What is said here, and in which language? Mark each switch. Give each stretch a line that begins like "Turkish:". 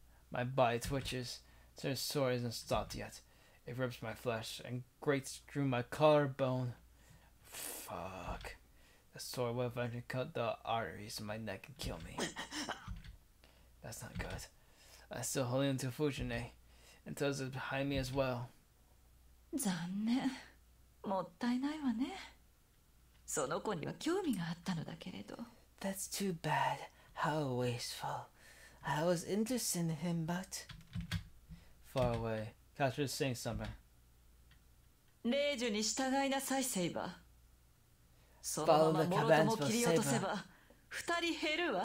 English: My body twitches. Sarah's sword isn't stopped yet. It rips my flesh and grates through my collarbone. Fuck. The sword will eventually cut the arteries in my neck and kill me. That's not good. I'm still holding onto Fujine, and Tozuka is behind me as well.
Japanese: 残念。もったいないわね。その子には興味があったのだけれど。
English: That's too bad. How wasteful. I was interested in him, but... Far away, Katra is saying something.
Japanese: Reiju ni shitagai nasai, Seiba.
English: Follow the commands of Seiba.